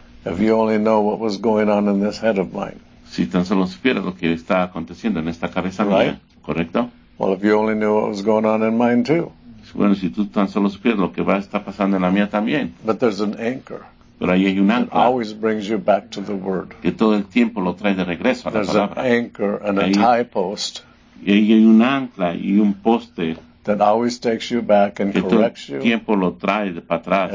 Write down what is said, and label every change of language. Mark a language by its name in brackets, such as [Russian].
[English] If you only know what was going on in this head of mine. [Spanish] Si tan solo supiera lo que está aconteciendo en esta cabeza [English] right? [Spanish] mía. ¿Correcto? [English] Well, if you only knew what was going on in mine too. [Spanish] Bueno, si tú tan solo supieras lo que va a estar pasando en la mía también. [English] But there's an anchor. [Spanish] Pero ahí hay un ancla. [English] It always brings you back to the word. [Spanish] Que todo el tiempo lo trae de regreso a [English] there's [Spanish] la palabra. [English] There's an anchor and ahí, a tie post. [Spanish] Y ahí hay un ancla y un poste. [English] That always takes you back and [Spanish] que [English] corrects you. [Spanish] Que todo el tiempo lo trae de para atrás.